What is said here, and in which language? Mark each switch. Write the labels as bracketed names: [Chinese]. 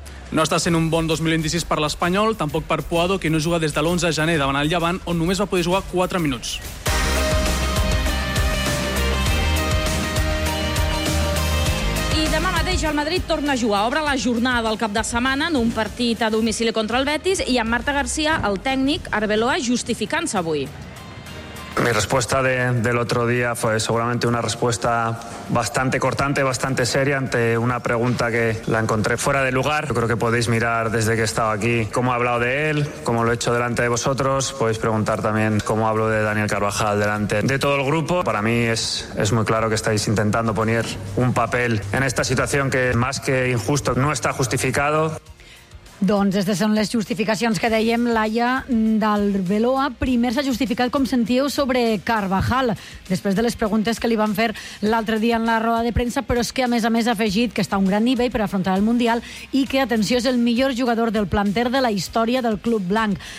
[Catalan] No està sent un bon 2026 per l'Espanyol, tampoc per Puado, que no juga des de l'11 de gener davant el Llevant, on només va poder jugar 4 minuts. El Madrid torna a jugar, obre la jornada del cap de setmana en un partit a domicili contra el Betis i amb Marta García, el tècnic, Arbeloa, justificant-se avui. [Spanish] Mi respuesta del otro día fue seguramente una respuesta bastante cortante, bastante seria ante una pregunta que la encontré fuera de lugar. Yo creo que podéis mirar desde que he estado aquí cómo he hablado de él, cómo lo he hecho delante de vosotros. Podéis preguntar también cómo hablo de Daniel Carvajal delante de todo el grupo. Para mí es muy claro que estáis intentando poner un papel en esta situación que más que injusto no está justificado. [Catalan] Doncs aquestes són les justificacions que dèiem, Laia, del Veloa. Primer s'ha justificat, com sentiu, sobre Carvajal, després de les preguntes que li van fer l'altre dia en la roda de premsa, però és que, a més, ha afegit que està a un gran nivell per afrontar el Mundial i que, atenció, és el millor jugador del planter de la història del Club Blanc.